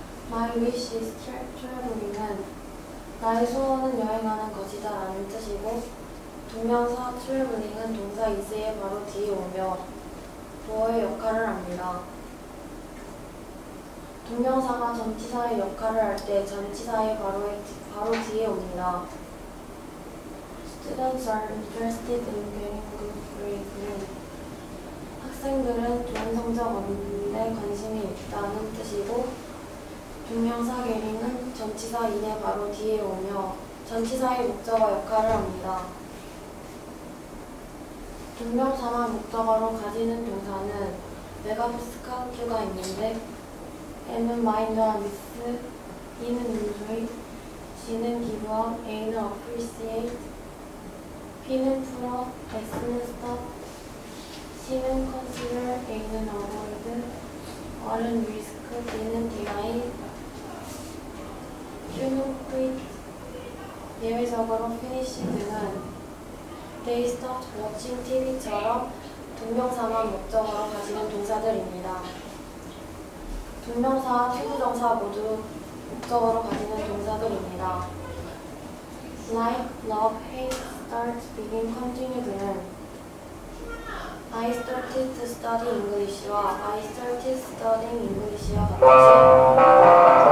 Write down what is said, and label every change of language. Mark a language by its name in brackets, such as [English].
[English] My wish is traveling [Korean] 은 나의 소원은 여행하는 것이다 라는 뜻이고 동명사 traveling은 동사 is의 바로 뒤에 오며 보어의 역할을 합니다. 동명사가 전치사의 역할을 할 때 전치사의 바로 뒤에 옵니다. [English] Students are interested in getting good grades. [Korean] 학생들은 좋은 성적 얻는데 관심이 있다는 뜻이고 동명사 getting은 전치사 in의 바로 뒤에 오며 전치사의 목적어 역할을 합니다. 동명사만 목적어로 가지는 동사는 메가프스카트가 있는데 M은 마인드와 미스, E는 enjoy, G는 기부업, A는 appreciate, P는 풀어, S는 stop, C는 consider, A는 avoid, R은 risk, D는 deny, Q는 quit, 예외적으로 finish 등은 [English] They start watching TV [Korean] 처럼 동명사만 목적어로 가지는 동사들입니다. 동명사와 투부정사 모두 목적어로 가지는 동사들입니다. [English] Like, love, hate, start, begin, continue 등은 I started to study English와 I started studying English와 같이